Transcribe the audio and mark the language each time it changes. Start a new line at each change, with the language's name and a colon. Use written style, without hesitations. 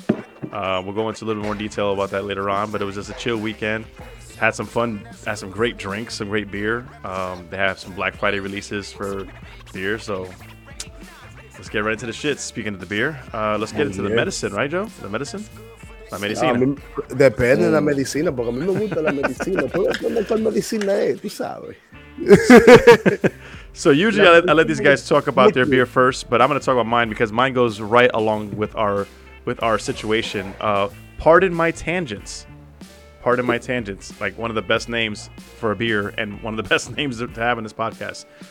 English: We'll go into a little more detail about that later on, but it was just a chill weekend. Had some fun, had some great drinks, some great beer. They have some Black Friday releases for beer, so let's get right into the shit. Speaking of the beer, let's get into the medicine, right, Joe? The medicine?
Spanish: La medicina. Depende de la medicina, porque a mí me gusta la medicina. ¿Cuál medicina es? Tú sabes.
English: So usually I let these guys talk about their beer first, but I'm going to talk about mine because mine goes right along with our situation. Pardon my tangents. Like one of the best names for a beer and one of the best names to have in this podcast.